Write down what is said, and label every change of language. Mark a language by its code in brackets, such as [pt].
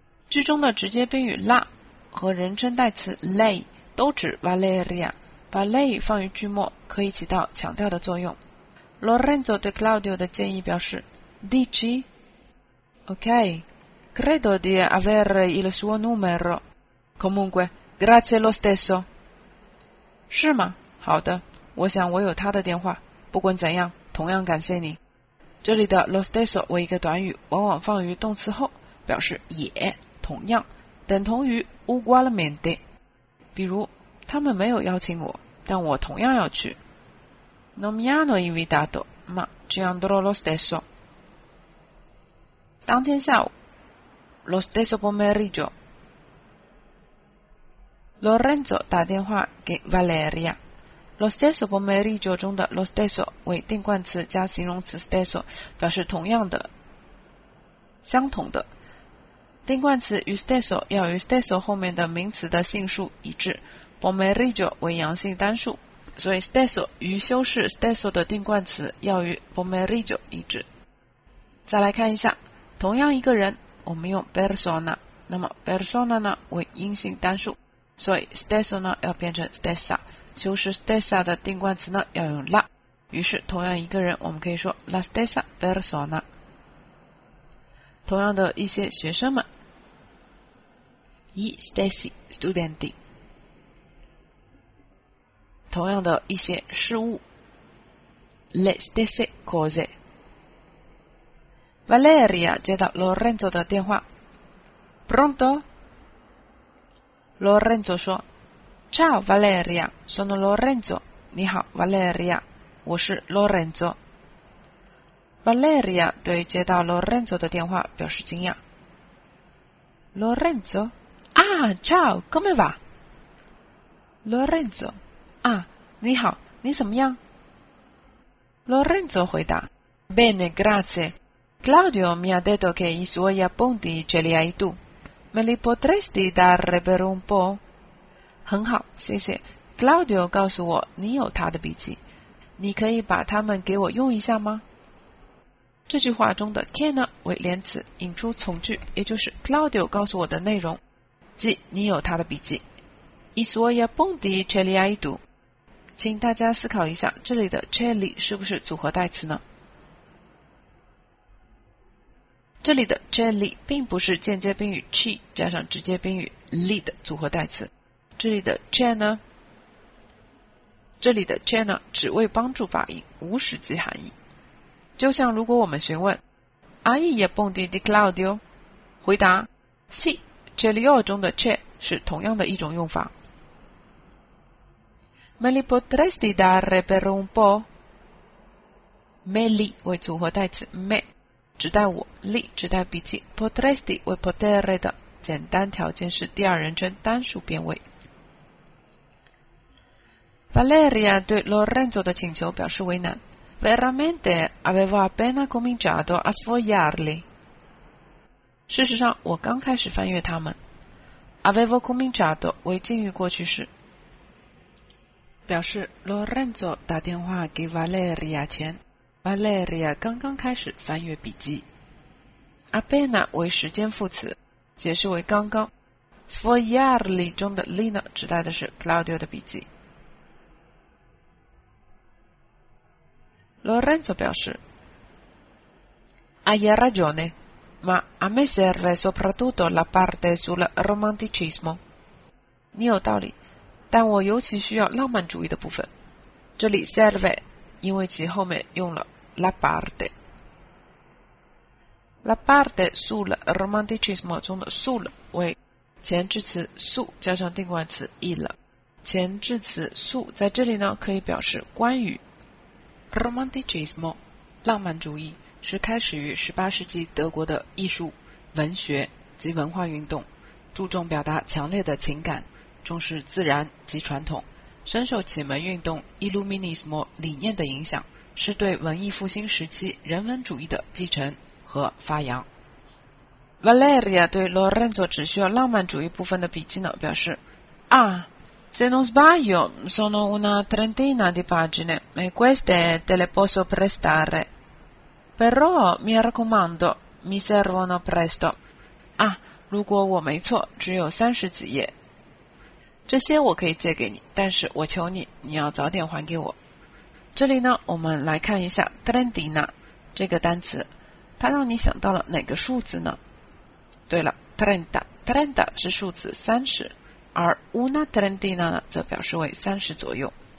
[zh] 句中的直接宾语 la 和人称代词 lei 都指 Valeria， 把 lei 放于句末可以起到强调的作用。 Lorenzo 对 Claudio 的建议表示 Dici? [it] Ok, credo di avere il suo numero. Comunque, grazie lo stesso. [zh] 是吗？好的，我想我有他的电话，不管怎样同样感谢你。这里的 lo stesso 为一个短语，往往放于动词后，表示也、同样，等同于 ugualmente。比如，他们没有邀请我，但我同样要去。 [it] Non mi hanno invitato, ma ci andrò lo stesso。 [zh] 当天下午 [it] ，lo stesso pomeriggio。 [zh] Lorenzo 打电话给 Valeria。Lo stesso pomeriggio 中的 lo stesso 为定冠词加形容词 stesso， 表示同样的、相同的。定冠词与 stesso 要与 stesso 后面的名词的性数一致， pomeriggio 为阳性单数，所以 stesso 与修饰 stesso 的定冠词要与 pomeriggio 一致。再来看一下，同样一个人，我们用 persona， 那么 persona 呢为阴性单数，所以 stesso 呢要变成 stessa。修饰 stessa 的定冠词呢要用 la， 于是同样一个人我们可以说 [it] la stessa persona。 [zh] 同样的一些学生们 [it] gli stessi studenti， [zh] 同样的一些事物 [it] le stesse cose。 [zh] Valeria 接到 Lorenzo 的电话 pronto？ [it] Lorenzo 说Ciao Valeria, sono Lorenzo. [zh] 你好 Valeria, 我是 Lorenzo. Valeria 对接到 Lorenzo 的电话表示惊讶。Lorenzo? [it] Ah, ciao, come va? Lorenzo, ah, [zh] 你好，你怎么样？ [it] Lorenzo 回答 Bene, grazie. Claudio mi ha detto che i suoi appunti ce li hai tu. Me li potresti dare per un po'? [zh] 很好，谢谢。 Claudio 告诉我你有他的笔记，你可以把他们给我用一下吗？这句话中的 che 呢为连词引出从句，也就是 Claudio 告诉我的内容，即你有他的笔记。 [it] I suoi appunti ce li hai tu。 [zh] 请大家思考一下，这里的 ce li 是不是组合代词呢？这里的 ce li 并不是间接宾语 ci 加上直接宾语 li 的组合代词。这里的 ce 呢只为帮助发音，无实际含义。就像如果我们询问 [it] Ai appunti di Claudio? [zh] 回答 [it] Si, ce li ho [zh] 中的 ce 是同样的一种用法。 [it] Me li potresti dare per un po'? [zh] Me li 为组合代词 me 指代我， li 指代笔记， potresti 为 potere 的简单条件是第二人称单数变位。 [it] Valeria [zh] 对 Lorenzo 的请求表示为难， [it] Veramente avevo appena cominciato a sfogliarli。 [zh] 事实上我刚开始翻阅他们。Avevo cominciato 为近于过去式，表示 Lorenzo 打电话给 Valeria 前， Valeria 刚刚开始翻阅笔记。 Appena 为时间副词，解释为刚刚。 Sfogliarli 中的 li 呢指代的是 Claudio 的笔记。 [it] Lorenzo 表示 Hai ragione, ma a me serve soprattutto la parte sul romanticismo. [zh] 你有道理，但我尤其需要浪漫主义的部分。这里 serve 因为其后面用了 la parte。 La parte sul romanticismo 中的 sul 为前置词 su 加上定冠词 il。前置词 su 在这里呢可以表示关于。 Romanticismo 浪漫主义是开始于18世纪德国的艺术、文学及文化运动，注重表达强烈的情感，重视自然及传统，深受启蒙运动 Illuminismo 理念的影响，是对文艺复兴时期人文主义的继承和发扬。 Valeria 对 Lorenzo 只需要浪漫主义部分的笔记呢表示啊。 [it] Se non sbaglio, sono una trentina di pagine, e queste te le posso prestare. Però, mi raccomando, mi servono presto. [zh] 啊，如果我没错，只有30几页。这些我可以借给你，但是我求你，你要早点还给我。这里呢，我们来看一下 trentina 这个单词，它让你想到了哪个数字呢？对了 ，trenta 是数字30。而 una trentina 呢则表示为30左右。